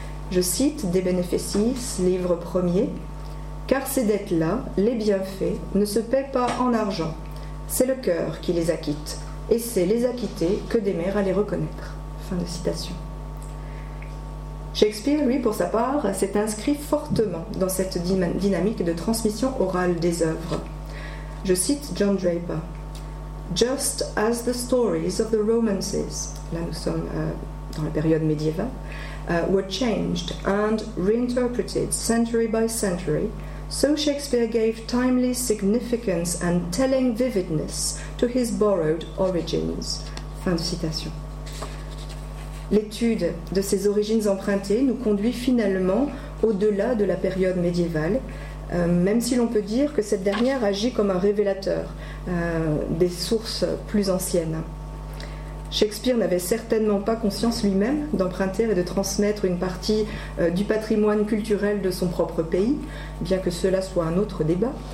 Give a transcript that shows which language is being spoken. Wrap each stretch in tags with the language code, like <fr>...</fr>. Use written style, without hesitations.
<fr>Je cite De Beneficiis, livre 1er, car ces dettes-là, les bienfaits, ne se paient pas en argent. C'est le cœur qui les acquitte, et c'est les acquittés que d'aimer à les reconnaître. Fin de citation. Shakespeare, lui, pour sa part, s'est inscrit fortement dans cette dynamique de transmission orale des œuvres. Je cite John Draper.</fr> <en>Just as the stories of the romances,</en> <fr>là nous sommes dans la période médiévale,</fr> <en>were changed and reinterpreted century by century, so Shakespeare gave timely significance and telling vividness to his borrowed origins.</en> <fr>Fin de citation. L'étude de ses origines empruntées nous conduit finalement au-delà de la période médiévale, même si l'on peut dire que cette dernière agit comme un révélateur des sources plus anciennes. Shakespeare n'avait certainement pas conscience lui-même d'emprunter et de transmettre une partie du patrimoine culturel de son propre pays, bien que cela soit un autre débat.</fr>